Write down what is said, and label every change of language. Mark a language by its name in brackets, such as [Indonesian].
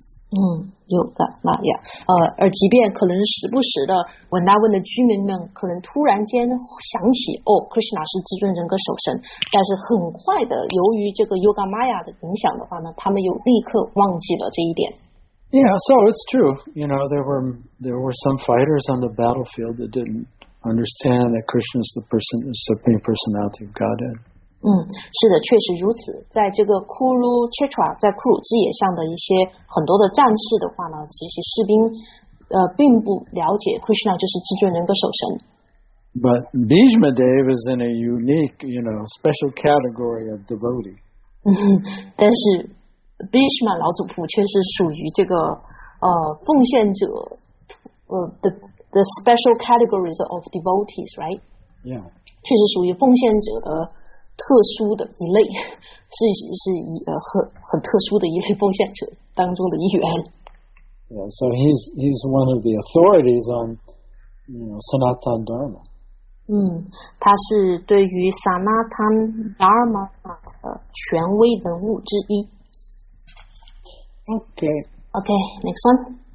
[Chinese] Yoga Maya. 而即便可能时不时的文达文的居民们可能突然间想起哦 ，Krishna 是至尊人格守神，但是很快的，由于这个 Yoga Maya 的影响的话呢，他们又立刻忘记了这一点。 [English] Yeah, so it's true. You know, there were some fighters on the battlefield that didn't understand that Krishna is the Supreme Personality of Godhead. [Chinese] 是的，确实如此。在这个库鲁切特拉，在库鲁之野上的一些很多的战士的话呢，这些士兵并不了解 Krishna 就是至尊人格守神。 [English] But Bhishma Dev is in a unique, you know, special category of devotee. [Chinese] 但是 Bhishma 老祖父却是属于这个奉献者 [English] the special categories of devotees, right? Yeah. [Chinese] 确实属于奉献者的特殊的一类，是很特殊的一类奉献者当中的一员。 [English] Yeah, so he's one of the authorities on, you know, Sanatan Dharma. [Chinese] 他是对于 Sanatan Dharma 的权威人物之一。 [English] Okay, next one.